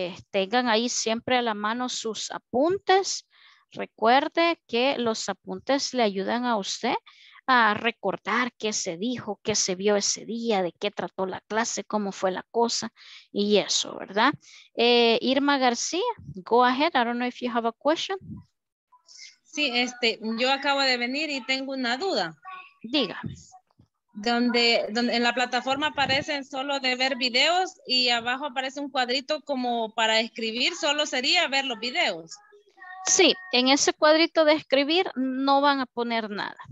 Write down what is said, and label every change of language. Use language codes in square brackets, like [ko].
[es] Tengan ahí siempre a la mano sus apuntes, recuerde que los apuntes le ayudan a usted a recordar qué se dijo, qué se vio ese día, de qué trató la clase, cómo fue la cosa y eso, ¿verdad? [en] Irma García, go ahead, I don't know if you have a question. [es] Sí, yo acabo de venir y tengo una duda. Diga. Donde en la plataforma aparecen solo de ver videos y abajo aparece un cuadrito como para escribir, solo sería ver los videos. Sí, en ese cuadrito de escribir no van a poner nada.